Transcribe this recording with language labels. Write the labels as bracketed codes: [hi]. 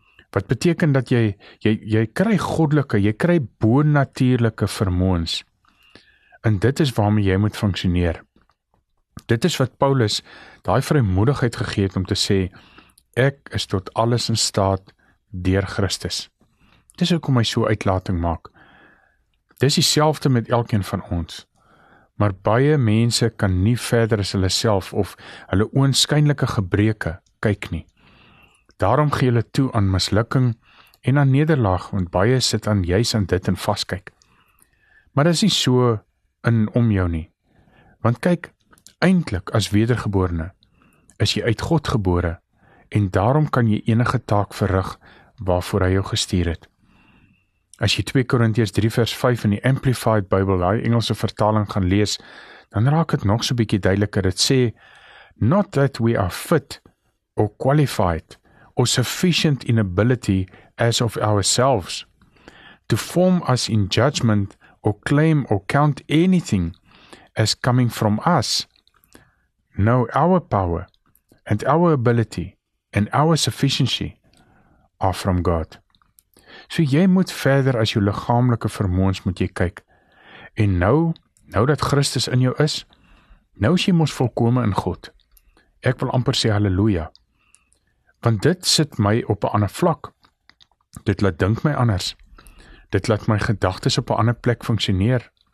[af] Wat beteken dat jy kry goddelike, jy kry bonatuurlike vermoëns. En dit is waarmee jy moet funksioneer. Dit is wat Paulus daai vrymoedigheid gegee het om te sê, ek is tot alles in staat deur Christus. Dis hoekom hy so uitlating maak. Dis dieselfde met elkeen van ons. Maar baie mense kan nie verder as hulle self of hulle oënskynlike gebreke kyk nie. Daarom gee hulle toe aan mislukking en aan nederlaag, want baie sit aan juis aan dit en vaskyk. Maar dis nie so in om jou nie. Want kyk, eintlik as wedergeborene is jy uit God gebore en daarom kan jy enige taak verrig waarvoor hy jou gestuur het. As jy 2 Korintiërs 3 vers 5 in die Amplified Bible, die Engelse vertaling, gaan lees, dan raak het nog so bietjie duideliker. Dit sê, [en] not that we are fit or qualified or sufficient in ability as of ourselves to form us in judgment or claim or count anything as coming from us. No, our power and our ability and our sufficiency are from God. [af] So jy moet verder as jou liggaamlike vermoëns moet jy kyk. En nou dat Christus in jou is, nou is jy mos volkome in God. Ek wil amper sê halleluja. Want dit sit my op 'n ander vlak. Dit laat dink my anders. Dit laat my gedagtes op 'n ander plek funksioneer.